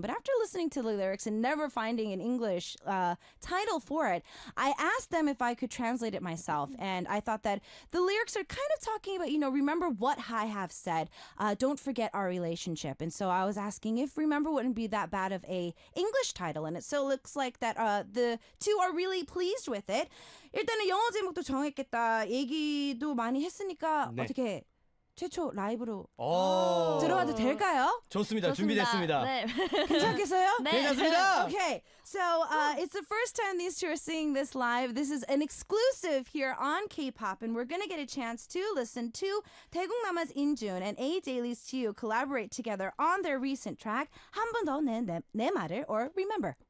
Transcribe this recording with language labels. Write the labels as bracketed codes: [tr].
[en] But after listening to the lyrics and never finding an English title for it, I asked them if I could translate it myself. And I thought that the lyrics are kind of talking about, you know, remember what I have said. Don't forget our relationship. And so I was asking if remember wouldn't be that bad of a English title in it. So it looks like that the two are really pleased with it. [ko] 일단은 영어 제목도 정했겠다 얘기도 많이 했으니까 네. 어떻게 최초 라이브로 들어가도 될까요? 좋습니다. 준비됐습니다. 네. 괜찮겠어요? 네. 괜찮습니다. Okay. [en] So it's the first time these two are seeing this live. This is an exclusive here on K-pop and we're going to get a chance to listen to Daegungnam-a's Injun and A-Daily's Tio collaborate together on their recent track 한 번 더 내 말을 or Remember.